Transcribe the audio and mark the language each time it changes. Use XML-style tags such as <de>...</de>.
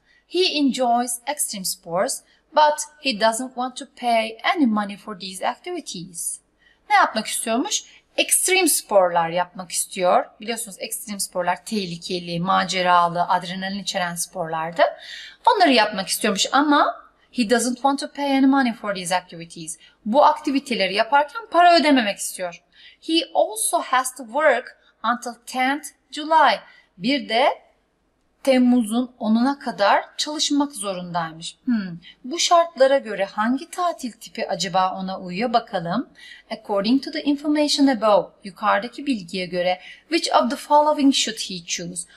<en>He enjoys extreme sports, but he doesn't want to pay any money for these activities.</en> <tr>Ne yapmak istiyormuş? Ekstrem sporlar yapmak istiyor. Biliyorsunuz ekstrem sporlar tehlikeli, maceralı, adrenalin içeren sporlardı. Onları yapmak istiyormuş ama</tr> <en>he doesn't want to pay any money for these activities.</en> <tr>Bu aktiviteleri yaparken para ödememek istiyor.</tr> <en>He also has to work until 10th July.</en> <tr>Bir de Temmuz'un 10'una kadar çalışmak zorundaymış. Bu şartlara göre hangi tatil tipi acaba ona uyuyor bakalım.</tr> <en>According to the information above,</en> <tr>yukarıdaki bilgiye göre,</tr> <en>which of the following should he choose?</en>